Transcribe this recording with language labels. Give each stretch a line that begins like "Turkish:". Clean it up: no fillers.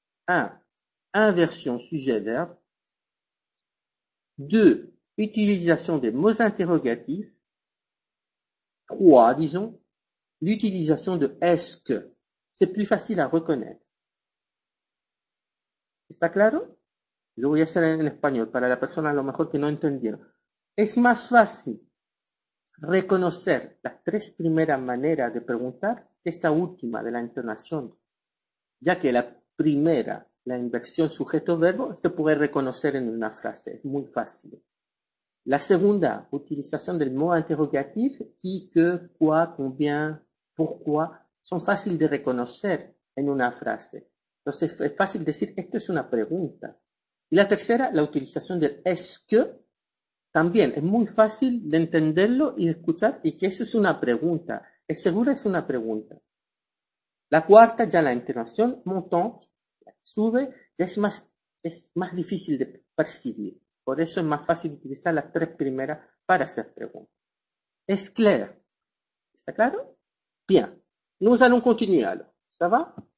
French: Un, inversion sujet-verbe. Deux, utilisation des mots interrogatifs. Trois, disons, l'utilisation de est-ce que. C'est plus facile à reconnaître.
Spanish: ¿Está claro? Lo voy a hacer en español para la persona a lo mejor que no entendió. Es más fácil reconocer las tres primeras maneras de preguntar que esta última de la entonación, ya que la primera, la inversión sujeto-verbo, se puede reconocer en una frase. Es muy fácil. La segunda, utilización del modo interrogativo,
French: qui, que, quoi, combien, pourquoi,
Spanish: son fáciles de reconocer en una frase. Entonces es fácil decir, esto es una pregunta. Y la tercera, la utilización del est-ce que, también es muy fácil de entenderlo y de escuchar, y que eso es una pregunta. Es seguro es una pregunta. La cuarta, ya la entonación, montante, sube, es más difícil de percibir. Por eso es más fácil utilizar las tres primeras para hacer preguntas.
French: Es clair.
Spanish: ¿Está claro? Bien.
French: Nous allons continuer alors. Ça va?